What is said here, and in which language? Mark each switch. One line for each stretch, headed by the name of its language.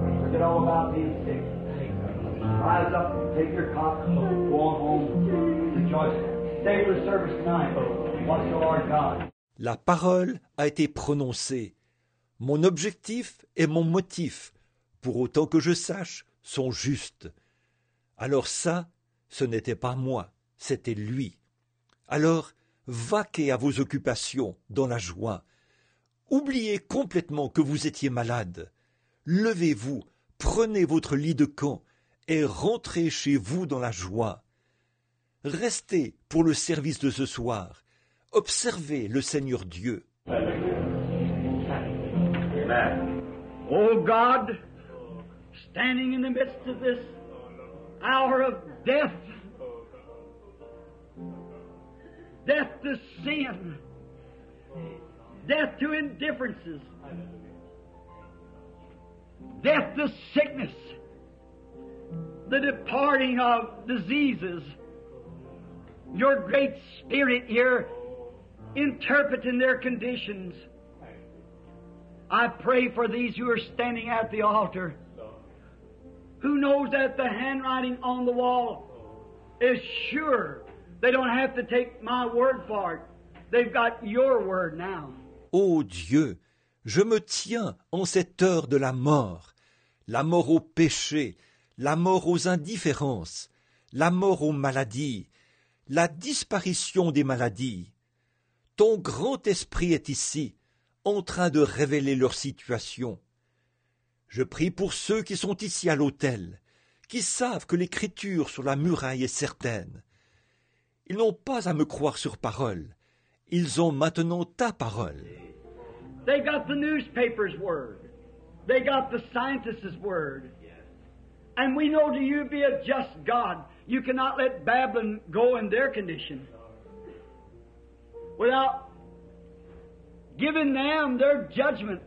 English: Forget all about being sick. Rise up, take your cup, go on home, rejoice. Stay for service tonight. Bless the Lord God.
French: La parole a été prononcée. Mon objectif et mon motif, pour autant que je sache, sont justes. Alors ça, ce n'était pas moi, c'était lui. Alors, vaquez à vos occupations dans la joie. Oubliez complètement que vous étiez malade. Levez-vous, prenez votre lit de camp et rentrez chez vous dans la joie. Restez pour le service de ce soir. Observez le Seigneur Dieu. Amen.
English: Oh God, standing in the midst of this hour of death, death to sin, death to indifferences, death to sickness, the departing of diseases, your great Spirit here interpreting their conditions. I pray for these who are standing at the altar. Who knows that the handwriting on the wall is sure? They don't have to take my word for it. They've got your word now.
French: Ô Dieu, je me tiens en cette heure de la mort au péché, la mort aux indifférences, la mort aux maladies, la disparition des maladies. Ton grand esprit est ici, en train de révéler leur situation. Je prie pour ceux qui sont ici à l'autel, qui savent que l'écriture sur la muraille est certaine. Ils n'ont pas à me croire sur parole. Ils ont maintenant ta parole.
English: They got the newspaper's word. They got the scientist's word. And we know that you be a just God. You cannot let Babylon go in their condition without giving them their judgment.